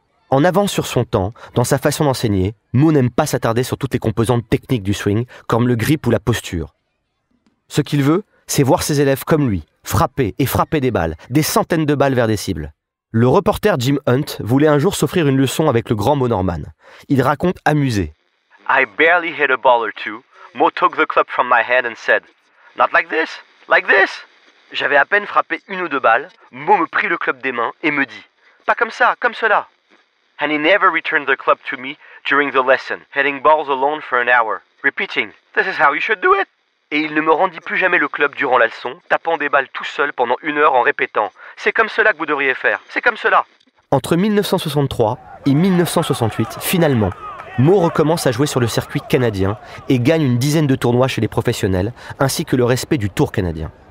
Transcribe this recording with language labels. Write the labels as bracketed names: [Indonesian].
[French] En avance sur son temps, dans sa façon d'enseigner, Mo n'aime pas s'attarder sur toutes les composantes techniques du swing, comme le grip ou la posture. Ce qu'il veut, c'est voir ses élèves comme lui, frapper et frapper des balles, des centaines de balles vers des cibles. Le reporter Jim Hunt voulait un jour s'offrir une leçon avec le grand Mo Norman. Il raconte amusé. [English] I barely hit a ball or two. Mo took the club from my hand and said, not like this, like this. [French] J'avais à peine frappé une ou deux balles, Mo me prit le club des mains et me dit, pas comme ça, comme cela. [English] And he never returned the club to me during the lesson, hitting balls alone for an hour, repeating, this is how you should do it. [French] Et il ne me rendit plus jamais le club durant la leçon, tapant des balles tout seul pendant une heure en répétant « C'est comme cela que vous devriez faire, c'est comme cela !» Entre 1963 et 1968, finalement, Mo recommence à jouer sur le circuit canadien et gagne une dizaine de tournois chez les professionnels, ainsi que le respect du Tour canadien.